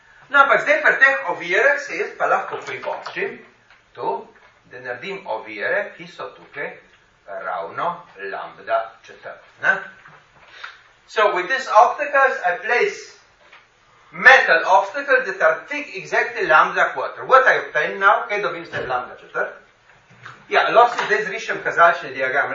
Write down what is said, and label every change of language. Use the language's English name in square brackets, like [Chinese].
[Slovenian] No, ampak zdaj pri teh ovirah se jaz pa lahko privoščim tu, da naredim ovire, ki so tukaj ravno lambda četrt. Ne? [English] So, with these obstacles, I place metal obstacles that are thick exactly lambda quarter. What I obtain now, [Slovenian] kaj dobim se lambda četrt? Ja, lahko zdaj zrišem kazalčni diagram.